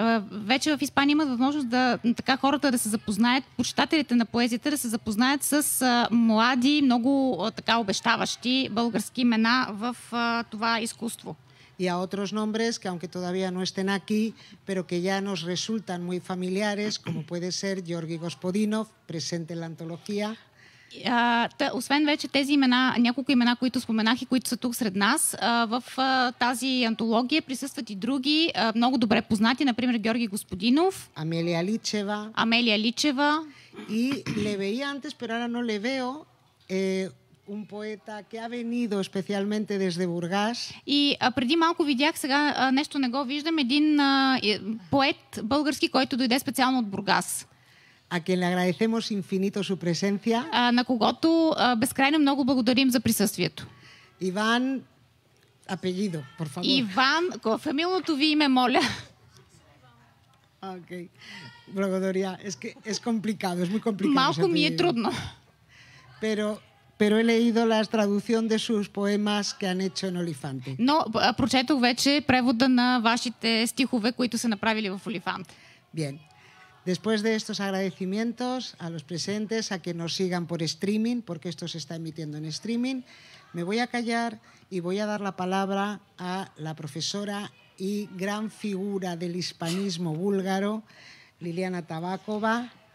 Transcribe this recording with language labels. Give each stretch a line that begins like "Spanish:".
Bulgarian: Вече в Испания имат възможност да, така, хората да се запознаят, почитателите на поезията да се запознаят с млади, много така обещаващи български имена в това изкуство.
Spanish: y a otros nombres que aunque todavía no estén aquí, pero que ya nos resultan muy familiares, como puede ser Георги Господинов, presente en la antología.
Bulgarian: Освен вече тези имена, няколко имена, които споменах и които са тук сред нас, в тази антология присъстват и други много добре познати, например Георги Господинов, Амелия Личева.
Spanish: И le veía antes, pero ahora no le veo, un poeta que ha venido especialmente desde Бургас.
Bulgarian: И преди малко видях, сега нещо не го виждам, един поет български, който дойде специално от Бургас.
Spanish: A quien le agradecemos infinito su presencia.
Bulgarian: На когото безкрайно много благодарим за присъствието.
Spanish: Иван, apellido, por favor.
Bulgarian: Иван, фамилното ви име, моля. Okay. Благодаря.
Spanish: Es complicado, es muy complicado.
Bulgarian: Малко ми е трудно.
Spanish: Pero he leído la traducción de sus poemas que han hecho en Olifante.
Bulgarian: Но прочетох вече превода на вашите стихове, които са направили в Олифант.
Spanish: Bien. Después de estos agradecimientos a los presentes, a que nos sigan por streaming, porque esto se está emitiendo en streaming, me voy a callar y voy a dar la palabra a la profesora y gran figura del hispanismo búlgaro, Лилиана Табакова.